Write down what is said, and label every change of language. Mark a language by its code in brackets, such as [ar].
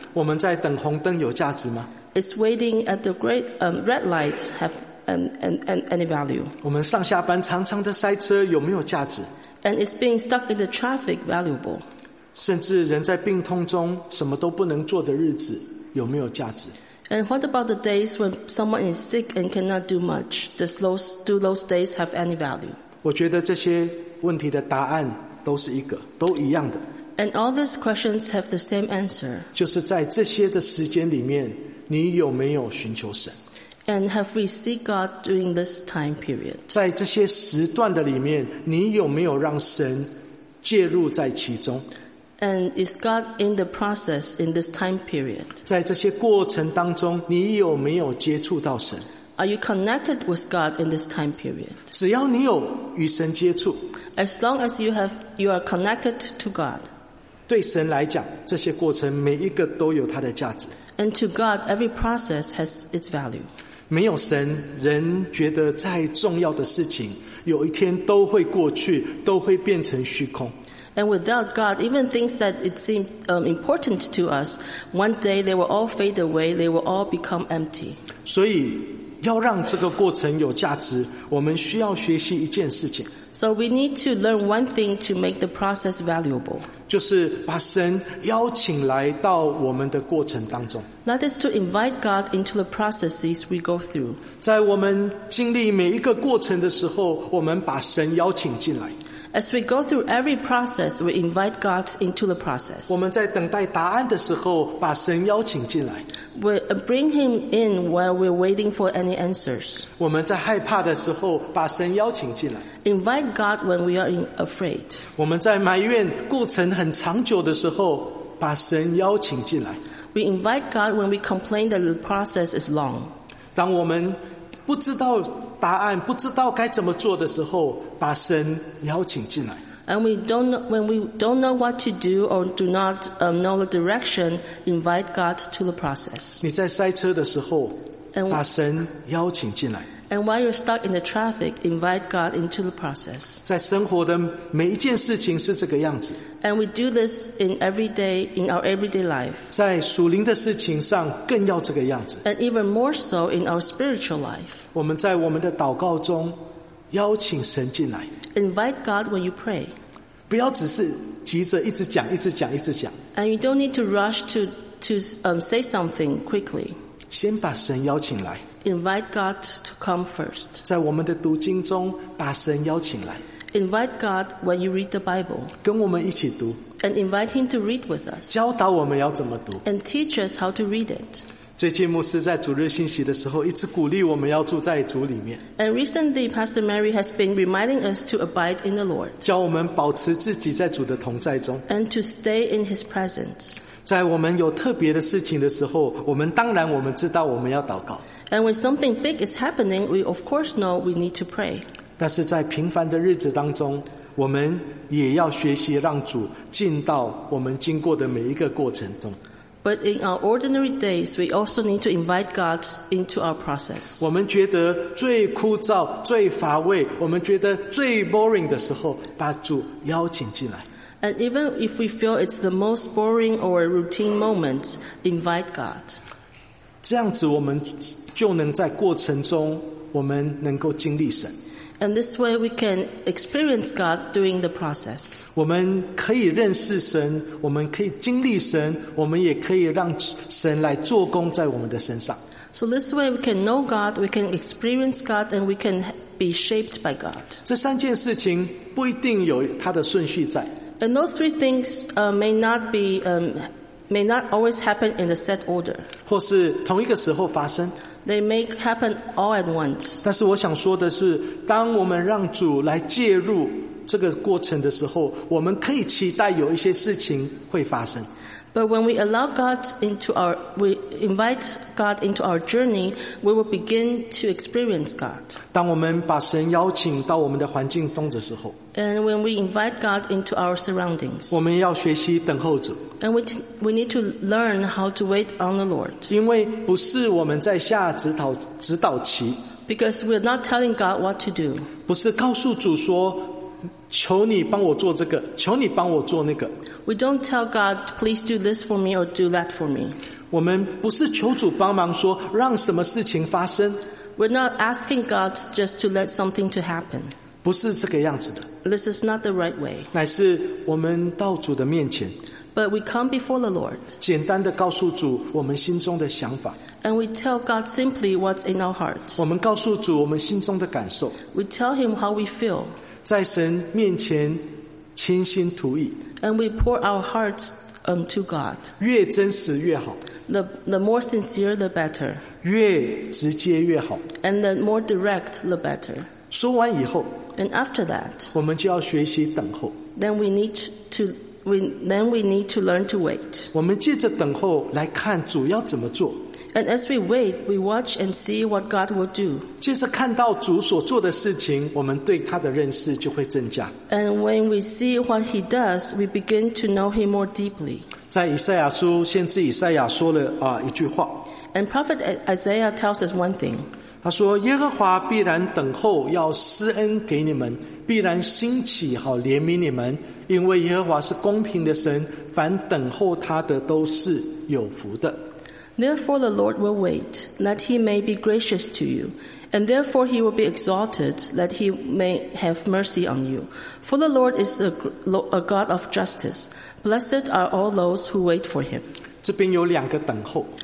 [zh] 我们在等红灯有价值吗？ [en] Is waiting at the great red light have any value? [zh] 我们上下班常常的塞车有没有价值？ [en] And is being stuck in the traffic valuable? [zh] 甚至人在病痛中什么都不能做的日子有没有价值？ [en] And what about the days when someone is sick and cannot do much? Do those days have any value? [zh] 我觉得这些问题的答案都是一个，都一样的。 [en] And all these questions have the same answer. [zh] 就是在这些的时间里面，你有没有寻求神？ [en] And have we seek God during this time period? [zh] 在这些时段的里面，你有没有让神介入在其中？ [en] And is God in the process in this time period? [zh] 在这些过程当中，你有没有接触到神？ [en] Are you connected with God in this time period? [zh] 只要你有与神接触， [en] As long as you are connected to God, [zh] 对神来讲，这些过程每一个都有它的价值。 [en] And to God, every process has its value. [zh] 没有神，人觉得再重要的事情，有一天都会过去，都会变成虚空。 [en] And without God, even things that it seemed important to us, one day they will all fade away, they will all become empty. [zh] 所以要让这个过程有价值，我们需要学习一件事情。 [en] So we need to learn one thing to make the process valuable. [zh] 就是把神邀请来到我们的过程当中。 [en] That is to invite God into the processes we go through. [zh] 在我们经历每一个过程的时候，我们把神邀请进来。 [en] As we go through every process, we invite God into the process. [zh] 我们在等待答案的时候，把神邀请进来。 [en] We bring him in while we're waiting for any answers. [zh] 我们在害怕的时候，把神邀请进来。 [en] Invite God when we are afraid. [zh] 我们在埋怨过程很长久的时候，把神邀请进来。 [en] We invite God when we complain that the process is long. [zh] 当我们不知道答案，不知道该怎么做的时候，把神邀请进来。 [en] And when we don't know what to do or do not know the direction, invite God to the process. [zh] 你在塞车的时候，把神邀请进来。 [en] And while you're stuck in the traffic, invite God into the process. [zh] 在生活的每一件事情是这个样子。 [en] And we do this in our everyday life. [zh] 在属灵的事情上更要这个样子。 [en] And even more so in our spiritual life. [zh] 我们在我们的祷告中邀请神进来。 [en] Invite God when you pray. [zh] 不要只是急着一直讲，一直讲，一直讲。 [en] And you don't need to rush to say something quickly. [zh] 先把神邀请来。 [en] Invite God to come first. [zh] 在我们的读经中把神邀请来。 [en] Invite God when you read the Bible. [zh] 跟我们一起读。 [en] And invite him to read with us. [zh] 教导我们要怎么读。 [en] And teach us how to read it. [zh] 最近牧师在主日信息的时候一直鼓励我们要住在主里面。 [en] And recently Pastor Mary has been reminding us to abide in the Lord. [zh] 教我们保持自己在主的同在中。 [en] And to stay in his presence. [zh] 在我们有特别的事情的时候，我们当然我们知道我们要祷告。 [en] And when something big is happening, we of course know we need to pray. [zh] 但是在平凡的日子当中，我们也要学习让主进到我们经过的每一个过程中。 [en] But in our ordinary days, we also need to invite God into our process. [zh] 我们觉得最枯燥、最乏味，我们觉得最 boring 的时候，把主邀请进来。 [en] And even if we feel it's the most boring or routine moment, invite God. [zh] 这样子我们就能在过程中我们能够经历神。 [en] And this way we can experience God during the process. [zh] 我们可以认识神，我们可以经历神，我们也可以让神来做工在我们的身上。 [en] So this way we can know God, we can experience God, and we can be shaped by God. [zh] 这三件事情不一定有它的顺序在。 [en] And those three things may not always happen in a set order. [zh] 或是同一个时候发生。 [en] They may happen all at once. [zh] 但是我想说的是，当我们让主来介入这个过程的时候，我们可以期待有一些事情会发生。 [en] But when we allow God into our, we invite God into our journey, we will begin to experience God. [zh] 当我们把神邀请到我们的环境中的时候， [en] And when we invite God into our surroundings, [zh] 我们要学习等候主。 [en] And we need to learn how to wait on the Lord. [zh] 因为不是我们在下指导期。 [en] Because we're not telling God what to do. [zh] 不是告诉主说，求你帮我做这个，求你帮我做那个。 [en] We don't tell God, please do this for me or do that for me. [zh] 我们不是求主帮忙说让什么事情发生。 [en] We're not asking God just to let something to happen. [zh] 不是这个样子的。 [en] This is not the right way. [zh] 乃是我们到主的面前。 [en] But we come before the Lord. [zh] 简单地告诉主我们心中的想法。 [en] And we tell God simply what's in our hearts. [zh] 我们告诉主我们心中的感受。 [en] We tell him how we feel. [zh] 在神面前倾心吐意。 [en] And we pour our hearts to God. [zh] 越真实越好。 [en] The more sincere, the better. [zh] 越直接越好。 [en] And the more direct, the better. [zh] 说完以后， [en] And after that, [zh] 我们就要学习等候。 [en] Then we need to learn to wait. [zh] 我们借着等候来看主要怎么做。 [en] And as we wait, we watch and see what God will do. [zh] 就是看到主所做的事情，我们对他的认识就会增加。 [en] And when we see what he does, we begin to know him more deeply. [zh] 在以赛亚书，先知以赛亚说了一句话。 [en] And Prophet Isaiah tells us one thing. [zh] 他说，耶和华必然等候，要施恩给你们，必然兴起，好怜悯你们，因为耶和华是公平的神，凡等候他的都是有福的。 [en] Therefore the Lord will wait, that he may be gracious to you. And therefore he will be exalted, that he may have mercy on you. For the Lord is a God of justice. Blessed are all those who wait for him. [zh] 这边有两个等候。